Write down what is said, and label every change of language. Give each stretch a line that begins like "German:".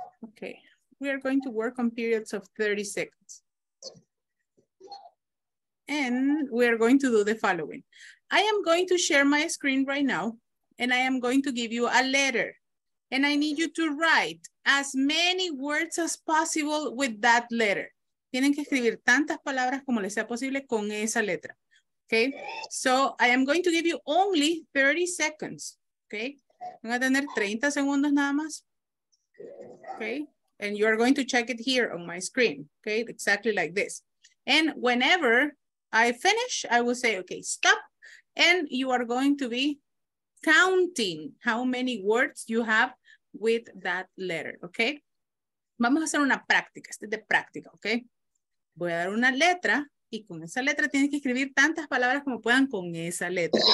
English: Okay, we are going to work on periods of 30 seconds. And we are going to do the following. I am going to share my screen right now and I am going to give you a letter. And I need you to write as many words as possible with that letter.
Spanish: Tienen que escribir tantas palabras como les sea posible con esa letra.
English: Okay? So I am going to give you only 30 seconds. Okay?
Spanish: Van a tener 30 segundos nada más. Okay?
English: And you are going to check it here on my screen. Okay? Exactly like this. And whenever I finish, I will say, okay, stop. And you are going to be counting how many words you have with that letter, okay?
Spanish: Vamos a hacer una práctica, este es de práctica, okay? Voy a dar una letra y con esa letra tienen que escribir tantas palabras como puedan con esa letra.